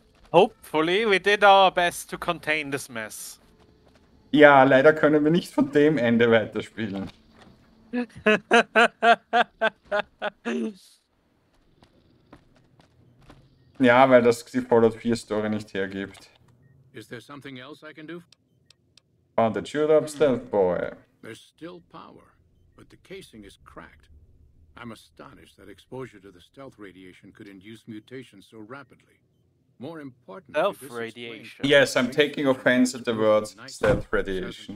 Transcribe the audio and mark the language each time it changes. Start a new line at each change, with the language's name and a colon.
English: Hopefully we did our best to contain this mess.
German: Ja, leider können wir nicht von dem Ende weiterspielen. Ja, weil das die Fallout 4 Story nicht hergibt.
English: Is there something else I can do? Found a chewed up stealth boy. There's still power, but the casing is cracked. I'm astonished that exposure to the stealth radiation could induce mutations so rapidly. More important, stealth radiation. Yes, I'm taking offense at the words stealth radiation.